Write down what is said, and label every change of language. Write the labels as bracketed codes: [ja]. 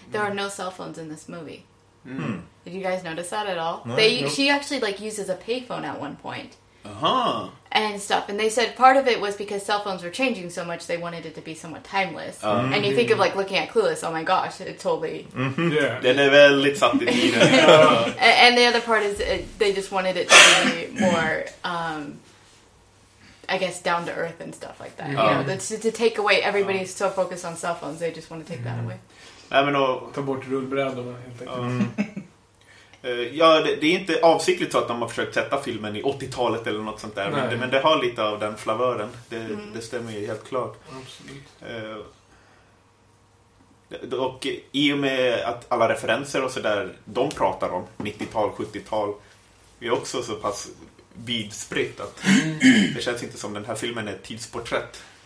[en] There are no cell phones in this movie. Mm. Did you guys notice that at all? No, she actually like uses a payphone at one point. Uh-huh. And stuff. And they said part of it was because cell phones were changing so much they wanted it to be somewhat timeless. And you think of like looking at Clueless, oh my gosh, it totally... [sv] Den är väldigt satt i tiden. [en] And the other part is they just wanted it to be more, I guess, down to earth and stuff like that. You know, to take away, everybody's so focused on cell phones, they just want to take that away. [sv] Nej, men ta bort rullbrädorna helt enkelt. Ja, det är inte avsiktligt så att de har försökt sätta filmen i 80-talet eller något sånt där. Men det har lite av den flavören. Det stämmer ju helt klart. Absolut. Och i och med att alla referenser och så där de pratar om, 90-tal, 70-tal, är också så pass vidspritt att det känns inte som den här filmen är ett tidsporträtt.